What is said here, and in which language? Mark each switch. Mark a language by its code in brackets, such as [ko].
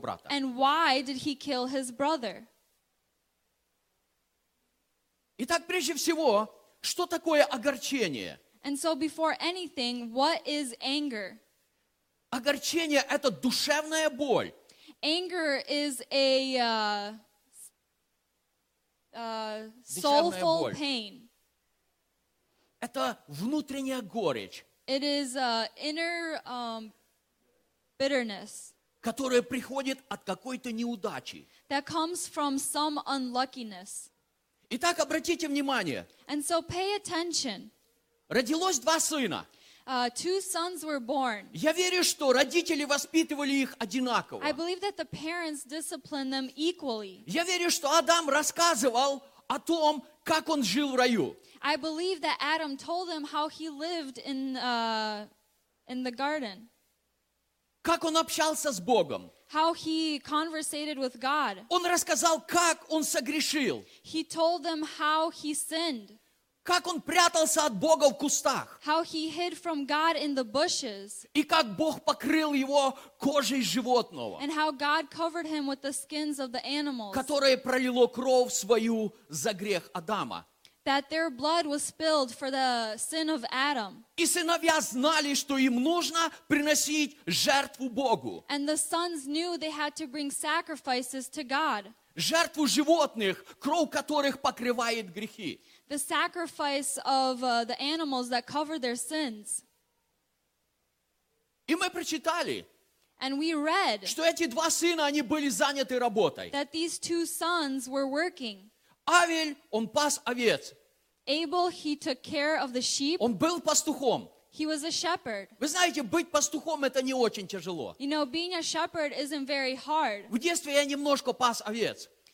[en] And why did he kill his brother? [ru] Итак, прежде всего, что такое огорчение? [en] And so before anything, what is anger? [ru] Огорчение – это душевная боль. [en] Anger is a... soulful pain. [ru] Это внутренняя горечь. [en] It is a inner bitterness. [ru] Которая приходит от какой-то неудачи. [en] That comes from some unluckiness. [ru] Итак, обратите внимание. [en] And so pay attention. [ru] Родилось два сына. [en] Two sons were born. [ru] Я верю, что родители воспитывали их одинаково. [en] I believe that the parents disciplined them equally. [ru] Я верю, что Адам рассказывал о том, как он жил в раю. [en] I believe that Adam told them how he lived in the garden. [ru] Как он общался с Богом. [en] How he conversated with God. [ru] Он рассказал, как он согрешил. [en] He told them how he sinned. [ru] Как он прятался от Бога в кустах. [en] How he hid from God in the bushes. [ru] И как Бог покрыл его кожей животного. [en] And how God covered him with the skins of the animals. [ru] Которое пролило кровь свою за грех Адама. [en] That their blood was spilled for the sin of Adam. [ru] И сыновья знали, что им нужно приносить жертву Богу. [en] And the sons knew they had to bring sacrifices to God. [ru] Жертву животных, кровь которых покрывает грехи. [en] The sacrifice of the animals that cover their sins. [ru] И мы прочитали, [en] and we read, [ru] что эти два сына, они были заняты работой. [en] That these two sons were working. [ru] Авель, он пас овец. [en] Abel, he took care of the sheep. [ru] Он был пастухом. [en] He was a shepherd. [ru] Вы знаете, быть пастухом, это не очень тяжело. [en] You know, being a shepherd isn't very hard. [ru] В детстве я немножко пас овец.